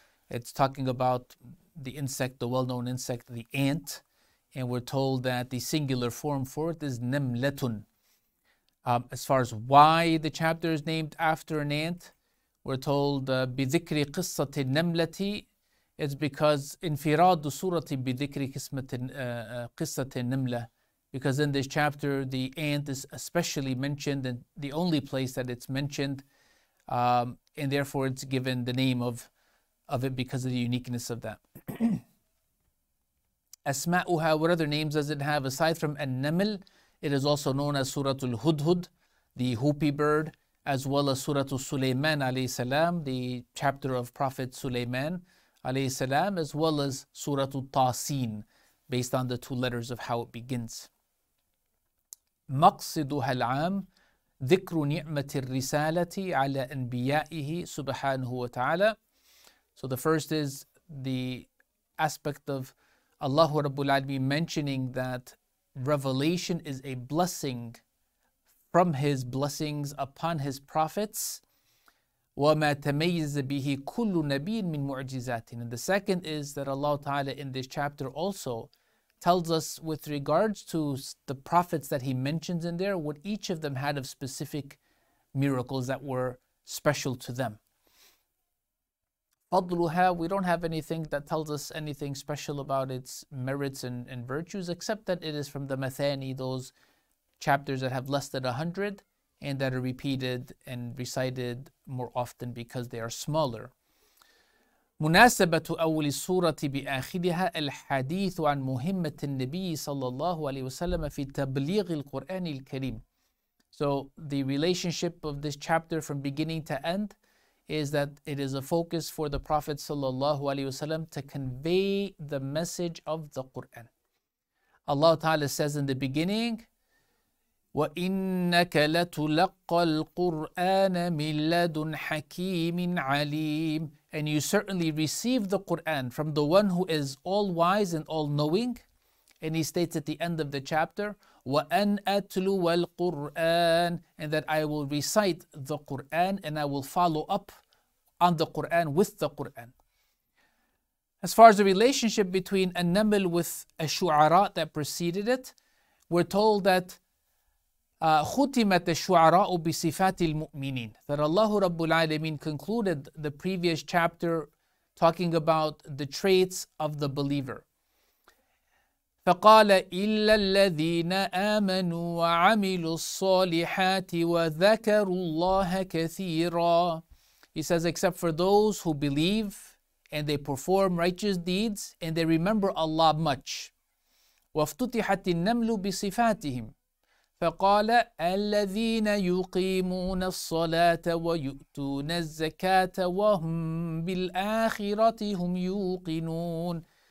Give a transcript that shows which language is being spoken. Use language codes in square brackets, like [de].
[en] It's talking about the insect, the well-known insect, the ant. And we're told that the singular form for it is Namlatun. As far as why the chapter is named after an ant, we're told [ar] بِذِكْرِ قِصَّةِ النَّمْلَةِ. [en] It's because [ar] انفِرَادُ سُورَةِ بِذِكْرِ قِصَّةِ النَّمْلَةِ. [en] Because in this chapter, the ant is especially mentioned, and the only place that it's mentioned, and therefore it's given the name of it because of the uniqueness of that. Asma'uha, what other names does it have? Aside from An-Naml, it is also known as Suratul Hudhud, the hoopy bird, as well as Suratul Sulayman alayhi salam, the chapter of Prophet Sulayman alayhi salam, as well as Suratul Taseen, based on the two letters of how it begins. [ar] مقصدها العام ذكر نعمة الرسالة على أنبيائه سبحانه وتعالى. [en] So the first is the aspect of Allah Rabbul Alameen mentioning that revelation is a blessing from His blessings upon His prophets. [ar] وما تميز به كل نبي من معجزاته. [en] And the second is that Allah Ta'ala in this chapter also tells us with regards to the prophets that he mentions in there, what each of them had of specific miracles that were special to them. فضلها, we don't have anything that tells us anything special about its merits and virtues, except that it is from the Mathani, those chapters that have less than 100 and that are repeated and recited more often because they are smaller. [ar] مناسبة أول سورة بآخرها الحديث عن مهمة النبي صلى الله عليه وسلم في تبليغ القرآن الكريم. [en] So the relationship of this chapter from beginning to end is that it is a focus for the Prophet [ar] صلى الله عليه وسلم [en] to convey the message of the Quran. Allah Ta'ala says in the beginning, [ar] وَإِنَّكَ لَتُلَقَّى الْقُرْآنَ مِنْ لَدُنْ حَكِيمٍ عَلِيمٍ. [en] And you certainly receive the Qur'an from the one who is all-wise and all-knowing. And he states at the end of the chapter, [ar] وَأَنْ أَتْلُوَ الْقُرْآنَ. [en] And that I will recite the Qur'an and I will follow up on the Qur'an with the Qur'an. As far as the relationship between An-Naml with Ash-Shu'ara that preceded it, we're told that [ar] ختمت الشعراء بصفات المؤمنين. [en] That Allah Rabbul Alameen concluded the previous chapter talking about the traits of the believer. [ar] فقال إلا الذين آمنوا وعملوا الصالحات وذكروا الله كثيرا. [en] He says, except for those who believe and they perform righteous deeds and they remember Allah much. [ar] وافتتحت النمل بصفاتهم. فَقَالَ الَّذِينَ يُقِيمُونَ الصَّلَاةَ وَيُؤْتُونَ الزَّكَاةَ وَهُمْ بِالْآخِرَةِ هُمْ يُوقِنُونَ.